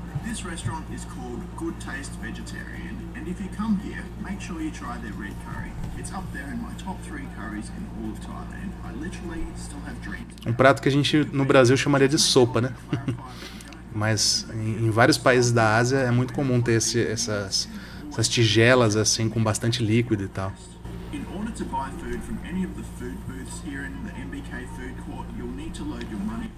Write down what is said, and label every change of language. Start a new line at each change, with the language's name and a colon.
English: This restaurant is called Good Taste Vegetarian, and if you come here, make sure you try their red curry. It's up there in my top three curries in all of Thailand. I literally still have dreams
Portuguese: Um prato que a gente no Brasil chamaria de sopa, né? Mas em vários países da Ásia é muito comum ter essas tigelas assim com bastante líquido e tal.
English: In order to buy food from any of the food booths here in the MBK food court, you'll need to load your money